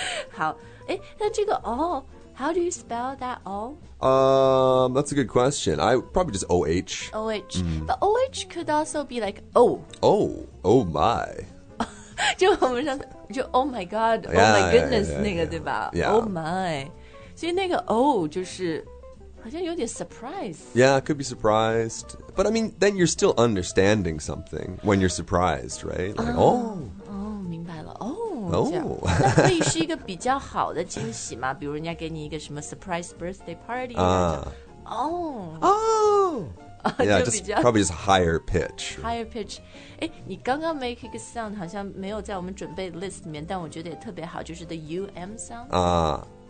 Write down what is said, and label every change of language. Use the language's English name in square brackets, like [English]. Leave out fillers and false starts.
[Chinese] 好哎那这个哦、 [English] how do you spell that O? That's a good question. I probably just OH. OH.、Mm. But OH could also be like oh. Oh, oh my. [Chinese] 就我们上次就 [English] Oh my god, yeah, oh my goodness yeah, [Chinese] 那个对吧 [English] yeah. Oh my [Chinese] 所以那个 O 就是好像有点 surprise. [English] Yeah, it could be surprised. But I mean, then you're still understanding something when you're surprised, right? Like, oh. [Chinese] 哦，明白了。哦，这样。那可以是一个比较好的惊喜吗？比如人家给你一个什么 surprise birthday party, 那种。哦。哦。 [English] Yeah, just probably just higher pitch. Higher pitch. [Chinese] 诶，你刚刚 [English] make a sound [Chinese] 好像没有在我们准备 list 里面，但我觉得也特别好，就是 [English] the UM sound.